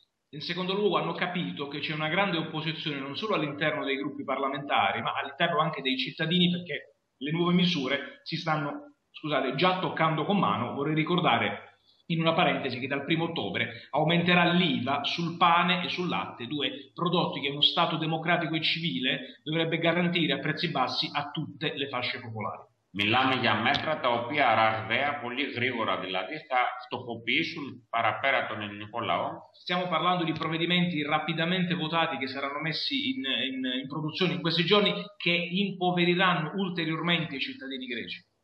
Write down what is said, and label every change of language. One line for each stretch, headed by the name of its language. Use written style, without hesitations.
Italian: In secondo luogo hanno capito che c'è una grande opposizione non solo all'interno dei gruppi parlamentari, ma all'interno anche dei cittadini, perché le nuove misure si stanno, scusate, già toccando con mano. Vorrei ricordare in una parentesi che dal 1 ottobre aumenterà l'IVA sul pane e sul latte, 2 prodotti che uno Stato democratico e civile dovrebbe garantire a prezzi bassi a tutte le fasce popolari.
Greek: Μιλάμε για μέτρα τα οποία ραγδαία, πολύ γρήγορα δηλαδή, θα φτωχοποιήσουν παραπέρα τον ελληνικό λαό.
Italian: Stiamo parlando di provvedimenti rapidamente votati che saranno messi in produzione in questi giorni, che impoveriranno ulteriormente i cittadini greci.